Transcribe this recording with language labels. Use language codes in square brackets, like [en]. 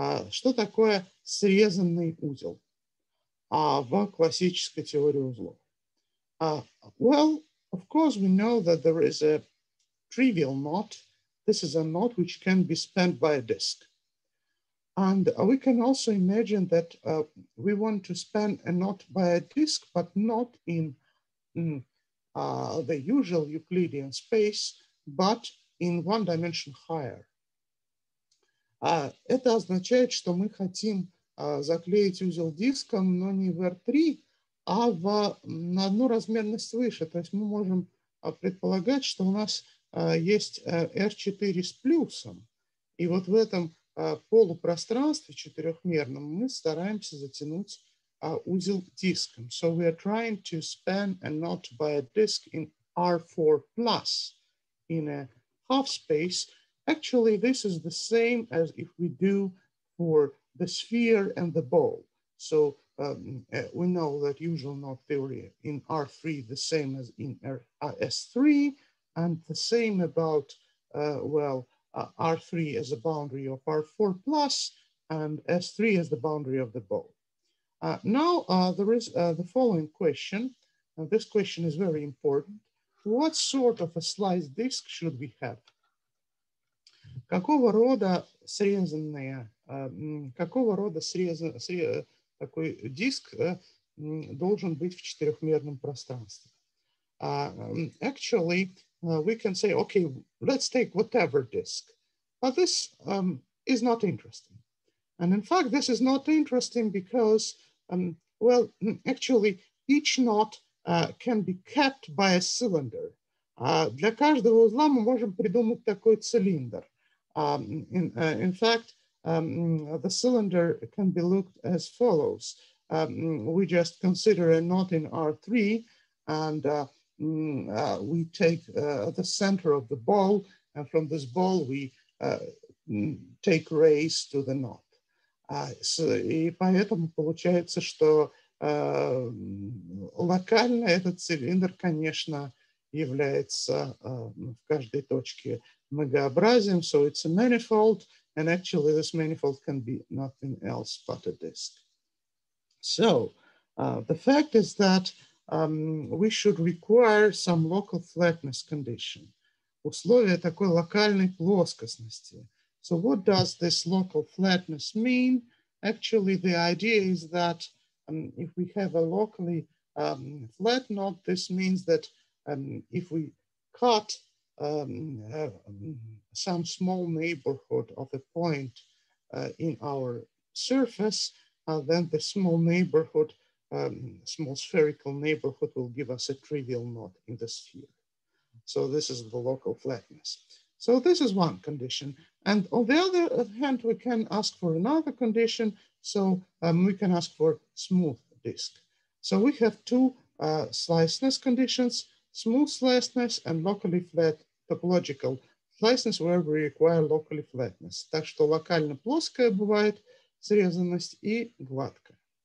[ru] Что такое срезанный узел в классической теории узлов? [en] Well, of course, we know that there is a trivial knot. This is a knot which can be spanned by a disk. And we can also imagine that we want to span a knot by a disk, but not in the usual Euclidean space, but in one dimension higher. [ru] Это означает, что мы хотим заклеить узел диском, но не в R3, а в, на одну размерность выше. То есть мы можем предполагать, что у нас есть R4 с плюсом. И вот в этом полупространстве четырехмерном мы стараемся затянуть узел диском. [en] So we are trying to span a knot by a disk in R4 plus in a half space. Actually, this is the same as if we do for the sphere and the ball. So we know that usual knot theory in R3 the same as in S3, and the same about, R3 as a boundary of R4 plus, and S3 as the boundary of the ball. There is the following question. This question is very important. What sort of a slice disk should we have? [ru] Какого рода срезанные, какого рода такой диск должен быть в четырехмерном пространстве? [en] Actually, we can say, okay, let's take whatever disk. But this is not interesting. And in fact, this is not interesting because, well, actually, each knot can be kept by a cylinder. [ru] Для каждого узла мы можем придумать такой цилиндр. [en] The cylinder can be looked as follows. We just consider a knot in R3, and we take the center of the ball, and from this ball we take rays to the knot. [ru] И поэтому получается, что локально этот цилиндр, конечно, является в каждой точке многообразием, [en] so it's a manifold, and actually this manifold can be nothing else but a disk. So the fact is that we should require some local flatness condition. [ru] Условие такой локальной плоскостности. [en] So what does this local flatness mean? Actually, the idea is that if we have a locally flat knot, this means that if we cut some small neighborhood of a point in our surface, then the small neighborhood, small spherical neighborhood will give us a trivial knot in the sphere. So this is the local flatness. So this is one condition. And on the other hand, we can ask for another condition. So we can ask for smooth disk. So we have two sliceness conditions, smooth sliceness and locally flat topological sliceness, where we require locally flatness. [ru] Так что локально плоская бывает срезанность и гладкая.